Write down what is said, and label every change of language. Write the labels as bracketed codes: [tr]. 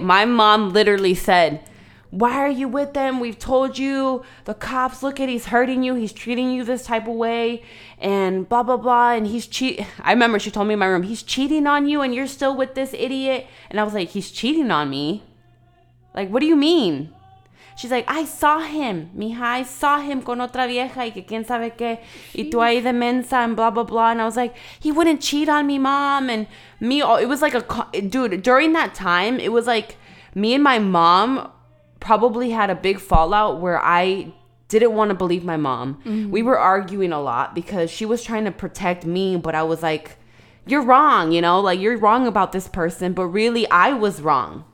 [en] My mom literally said, why are you with them? We've told you, the cops, look at, he's hurting you. He's treating you this type of way and blah, blah, blah. And he's cheat. I remember she told me in my room, he's cheating on you and you're still with this idiot. And I was like, he's cheating on me? Like, what do you mean? She's like, I saw him, mija. I saw him [es] con otra vieja y que quién sabe qué. [en] Jeez. [es] Y tú ahí de mensa [en] and blah, blah, blah. And I was like, he wouldn't cheat on me, mom. And me, it was like during that time, it was like me and my mom probably had a big fallout where I didn't want to believe my mom. Mm-hmm. We were arguing a lot because she was trying to protect me, but I was like, you're wrong, you know, like you're wrong about this person, but really I was wrong.